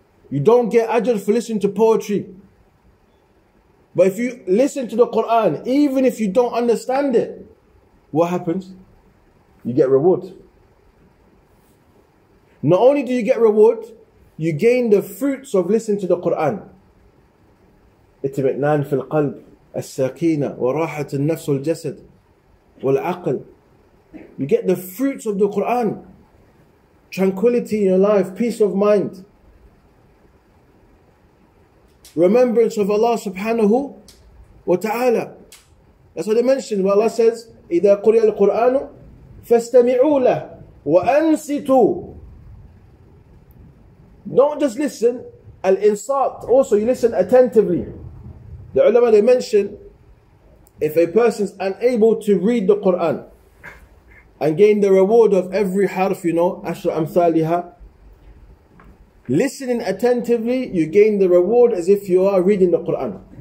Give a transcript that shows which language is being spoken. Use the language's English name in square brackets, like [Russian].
[English] You don't get ajr for listening to poetry. But if you listen to the Quran, even if you don't understand it, what happens? You get reward. Not only do you get reward, you gain the fruits of listening to the Quran. [Arabic] اطمئنان في القلب السكينة وراحة النفس والجسد والعقل. [English] You get the fruits of the Quran. Tranquility in your life, peace of mind. Remembrance of Allah subhanahu wa ta'ala. That's what they mentioned. Where Allah says, [Arabic] إِذَا قُرِيَ الْقُرْآنُ فَاسْتَمِعُوا لَهُ وَأَنْسِتُوا. [English] Don't just listen. Al-insat. Also, you listen attentively. The ulama, they mention, if a person is unable to read the Quran and gain the reward of every harf, you know, ashra amthaliha, listening attentively, you gain the reward as if you are reading the Quran.